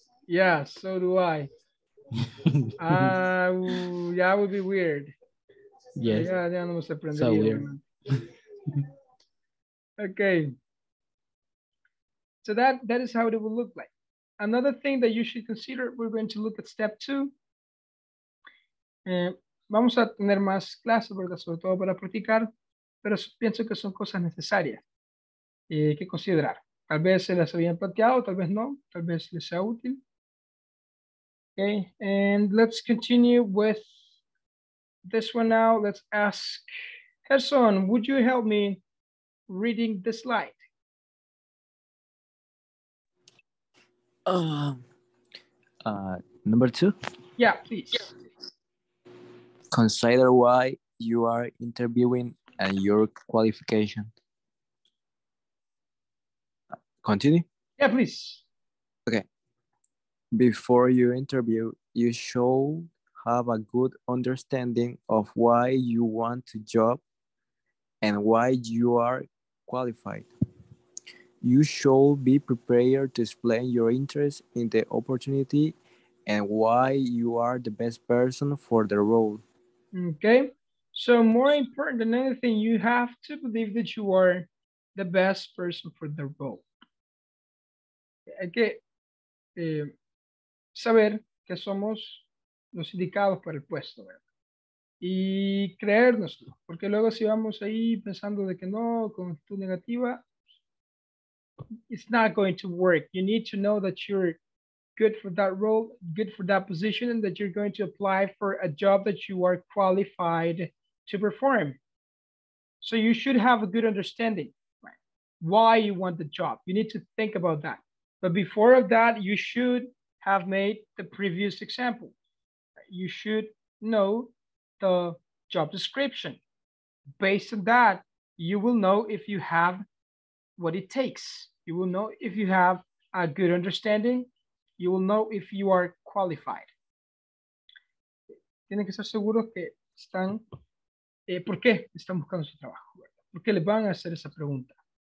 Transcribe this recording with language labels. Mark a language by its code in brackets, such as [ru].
[en] Yeah, so do I. yeah, it would be weird. Yes. [es] Yeah, ya no me sorprendería. [en] So weird. Okay. So that is how it will look like. Another thing that you should consider, we're going to look at step two. [es] Vamos a tener más clases, ¿verdad? Sobre todo para practicar, pero pienso que son cosas necesarias que considerar. Tal vez se las habían planteado, tal vez no, tal vez les sea útil. [en] Okay, and let's continue with this one now. Let's ask Gerson, would you help me reading the slide? Number two? Yeah, please. Consider why you are interviewing and your qualification. Continue? Yeah, please. Okay. Before you interview, you should have a good understanding of why you want the job and why you are qualified. You should be prepared to explain your interest in the opportunity and why you are the best person for the role. Okay. So more important than anything, you have to believe that you are the best person for the role. [es] Hay que saber que somos los indicados para el puesto, ¿verdad? Y creérnoslo, porque luego si vamos ahí pensando de que no, con actitud negativa, [en] it's not going to work. You need to know that you're good for that role, good for that position, and that you're going to apply for a job that you are qualified to perform. So you should have a good understanding, right? Why you want the job. You need to think about that. But before of that, you should have made the previous example. You should know the job description. Based on that, you will know if you have what it takes. You will know if you have a good understanding. You will know if you are qualified. [es] Tienen que estar seguros que están, ¿por qué están buscando su trabajo? ¿Por qué les van a hacer esa pregunta?